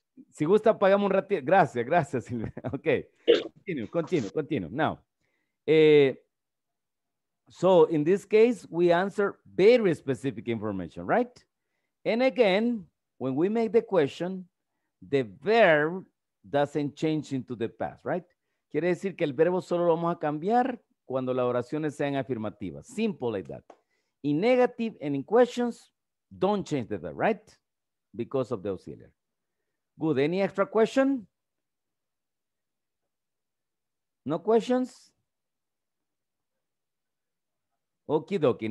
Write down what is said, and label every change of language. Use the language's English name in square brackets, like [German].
[Spanish] Si gusta, apagamos un ratito. Gracias, gracias, Silvia. Ok. Continue. [English] Now, so in this case, we answer very specific information, right? And again, when we make the question, the verb doesn't change into the past, right? [Spanish] Quiere decir que el verbo solo lo vamos a cambiar cuando las oraciones sean afirmativas. [English] Simple like that. In negative and in questions, don't change the verb, right? Because of the auxiliary. Good. Any extra question? No questions? Okie dokie.